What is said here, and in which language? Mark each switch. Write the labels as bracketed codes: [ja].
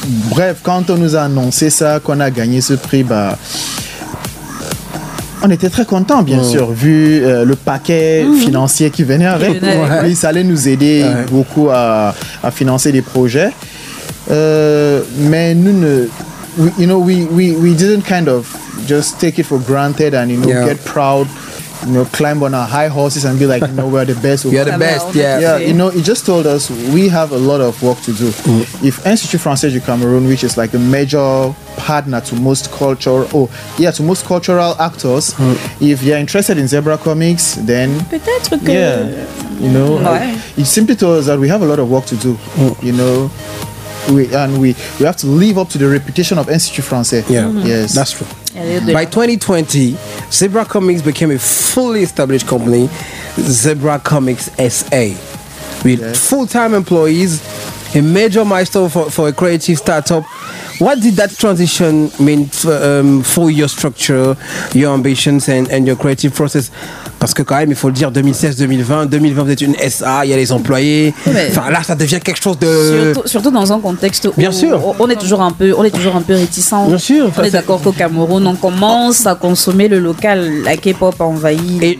[fr] Bref, quand on nous a annoncé ça, qu'on a gagné ce prix, on était très contents, bien sûr, vu le paquet financier qui venait avec. Oui, ça allait nous aider beaucoup à financer des projets. Mais nous ne, [en] we didn't kind of just take it for granted and, you know, get proud, you know, climb on our high horses and be like, you know, we're the best. You're the best, You know, it just told us we have a lot of work to do. If Institut Français du Cameroun, which is like a major partner to most culture, to most cultural actors, if you're interested in Zebra Comics, then [fr] peut-être que [en] you know, it simply told us that we have a lot of work to do, you know. We have to live up to the reputation of Institut Français. Yeah, yes, that's true. By 2020, Zebra Comics became a fully established company, Zebra Comics SA, with full-time employees, a major milestone for a creative startup. What did that transition mean for your structure, your ambitions, and your creative process? [fr] Parce que quand même, il faut le dire, 2016-2020, vous êtes une SA, il y a les employés. Enfin, là, ça devient quelque chose de... Surtout dans un contexte où on est toujours un peu réticents. Bien sûr. On est d'accord qu'au Cameroun, on commence à consommer le local, la K-pop envahie.